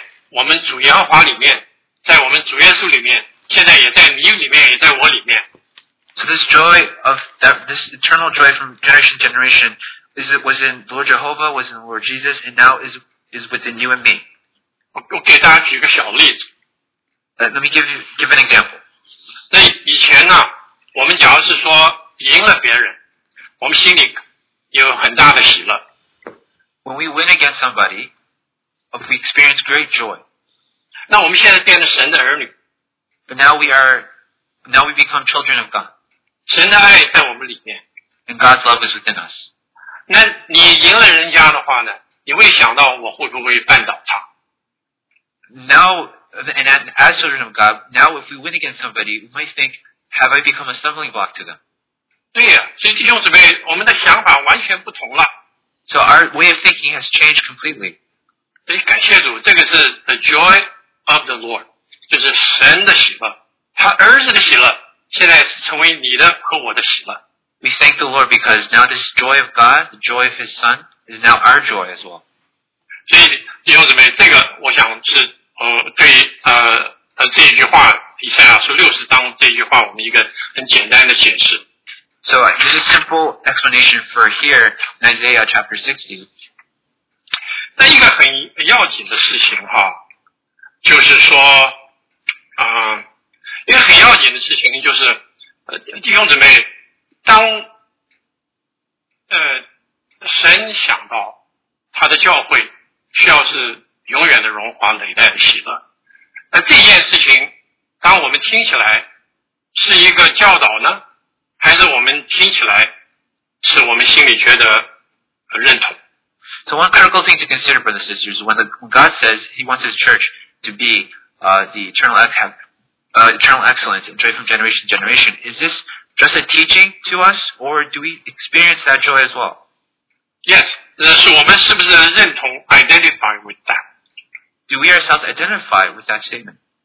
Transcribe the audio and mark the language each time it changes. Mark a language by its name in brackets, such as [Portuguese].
[Chinese] 对，所以弟兄姊妹，所以是累代的喜乐，那个意思其实是这个喜乐在我们主耶和华里面。在我们主耶稣里面，现在也在你里面，也在我里面。 [English] So this joy of that, this eternal joy from generation to generation is it was in Lord Jehovah, was in Lord Jesus, and now is within you and me. [Chinese] 我给大家举个小例子。 [English] Let me give an example. [Chinese] 那以前呢，我们假如是说赢了别人，我们心里有很大的喜乐。 [English] When we win against somebody, we experience great joy. [Chinese] 那我们现在变成神的儿女。 [English] But now we become children of God. [Chinese] 神的爱在我们里面。 [English] And God's love is within us. [Chinese] 那你赢了人家的话呢, 你会想到我会不会绊倒他。 [English] Now, and as children of God, now if we win against somebody, we might think, have I become a stumbling block to them? [Chinese] 对呀, 所以弟兄姊妹, 我们的想法完全不同了。 [English] So our way of thinking has changed completely. [Chinese] 所以感谢主, 这个是 [English] the joy of the Lord, [Chinese] 就是神的喜乐, 祂儿子的喜乐, 现在成为你的和我的喜乐。 [English] We thank the Lord because now this joy of God, the joy of His Son, is now our joy as well. [Chinese] 所以弟兄姊妹, 这个我想是对这一句话, 以赛亚书60章这一句话我们一个很简单的解释。 [English] So here's a simple explanation for here in Isaiah chapter 60. [Chinese] 但一个很要紧的事情哈, 就是说，因为很要紧的事情就是，弟兄姊妹，当神想到他的教会需要是永远的荣华累代的喜乐，那这件事情，当我们听起来是一个教导呢，还是我们听起来是我们心里觉得认同？ [English] So one critical thing to consider, brothers and sisters, when God says He wants His church to be eternal excellence and joy from generation to generation, is this just a teaching to us, or do we experience that joy as well? [Chinese] Yes, 是我们是不是认同 [English] identify with that? Do we ourselves identify with that statement?